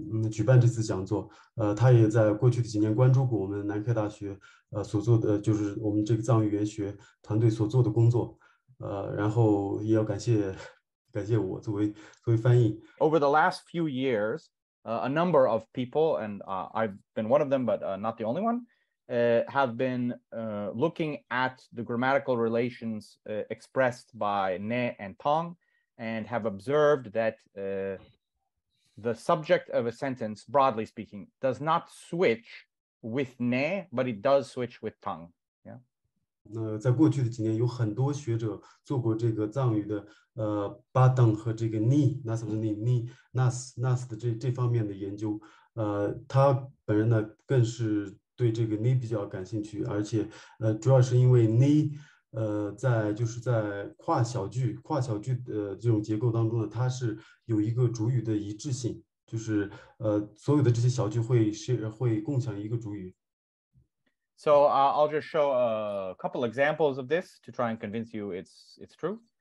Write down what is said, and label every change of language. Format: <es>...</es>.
<zh>举办这次讲座，他也在过去的几年关注过我们南开大学，所做的就是我们这个藏语语言学团队所做的工作，然后也要感谢我作为翻译。</zh> <en>Over the last few years, a number of people, and I've been one of them, but not the only one, have been looking at the grammatical relations expressed by ne and tong, and have observed that. The subject of a sentence, broadly speaking, does not switch with ne, but it does switch with tang. Yeah.</en> <zh>在过去的几年，有很多学者做过这个藏语的ba deng和这个 ni na sam ni ni nas nas 的这方面的研究。他本人呢，更是对这个 ni 比较感兴趣，而且主要是因为 ni。在跨小句的这种结构当中呢，它是有一个主语的一致性，就是所有的这些小句会共享一个主语。</zh> <en>So I'll just show a couple examples of this to try and convince you it's true.</en>